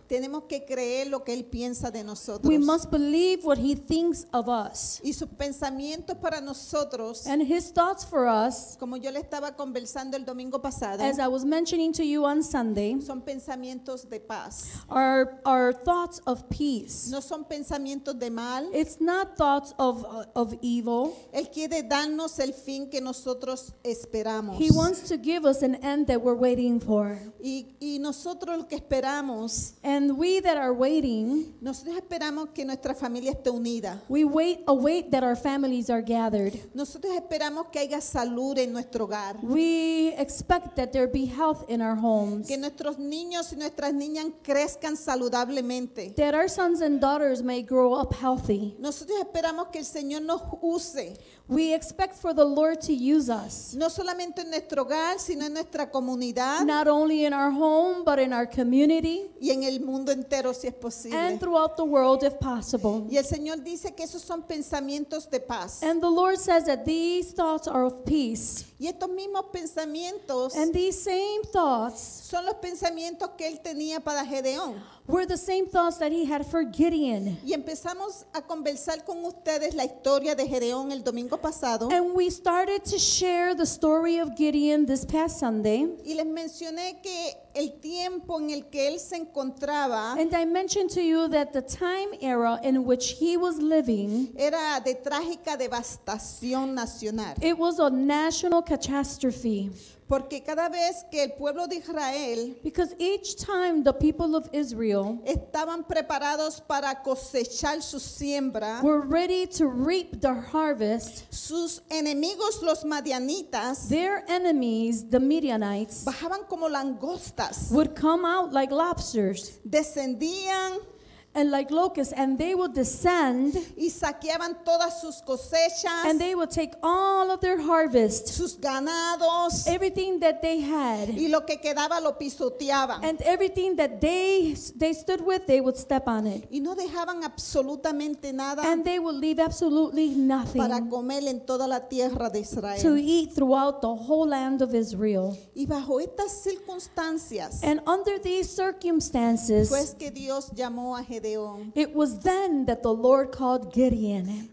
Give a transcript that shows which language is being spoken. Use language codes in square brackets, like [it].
[es] tenemos que creer lo que Él piensa de nosotros, [en] we must believe what He thinks of us, [es] y sus pensamientos para nosotros, [en] and His thoughts for us, [es] como yo le estaba conversando el domingo pasado, [en] as I was mentioning to you on Sunday, [es] son pensamientos de paz, [en] our thoughts of peace. [es] No son pensamientos de mal. [en] It's not thoughts of evil. [es] Él quiere darnos el fin que nosotros esperamos. [en] He wants to give us an end that we're waiting for. [es] Y nosotros lo que esperamos, [en] and we that are waiting, [es] nosotros esperamos que nuestra familia esté unida. [en] We await that our families are gathered. [es] Nosotros esperamos que haya salud en nuestro hogar. [en] We expect that there be health in our homes. [es] Que nuestros niños y nuestras niñas crezcan saludablemente. [en] That our sons and daughters may grow up healthy. [es] Nosotros esperamos que el Señor nos use. [en] We expect for the Lord to use us. [es] No solamente en nuestro hogar, sino en nuestra comunidad. [en] Not only in our home, but in our community. [es] Y en el mundo entero, si es posible. [en] And throughout the world, if possible. [es] Y el Señor dice que esos son pensamientos de paz. [en] And the Lord says that these thoughts are of peace. [es] Y estos mismos pensamientos, [en] and these same thoughts, [es] son los pensamientos que él tenía para Gedeón. [en] Were the same thoughts that he had for Gideon. [es] Y empezamos a conversar con ustedes la historia de Gedeón el domingo pasado. [en] And we started to share the story of Gideon this past Sunday. [es] Y les mencioné que el tiempo en el que él se encontraba, [en] and I mentioned to you that the time era in which he was living, [es] era de trágica devastación nacional. [en] It was a national catastrophe. [es] Porque cada vez que el pueblo de Israel, [en] because each time the people of Israel, [es] estaban preparados para cosechar su siembra, [en] were ready to reap the harvest, [es] sus enemigos los madianitas, [en] their enemies the Midianites, [es] bajaban como langostas, [en] would come out like lobsters, [es] descendían, [en] and like locusts, and they would descend, [es] y saqueaban todas sus cosechas, [en] and they would take all of their harvest, [es] sus ganados, [en] everything that they had, [es] y lo que quedaba lo pisoteaban, [en] and everything that they stood with, they would step on it, [es] y no dejaban absolutamente nada, [en] and they would leave absolutely nothing, [es] para comer en toda la tierra de Israel, [en] to eat throughout the whole land of Israel. [es] Y bajo estas circunstancias, [en] and under these circumstances, [es] pues que Dios llamó a [en] it was then that the Lord called Gideon.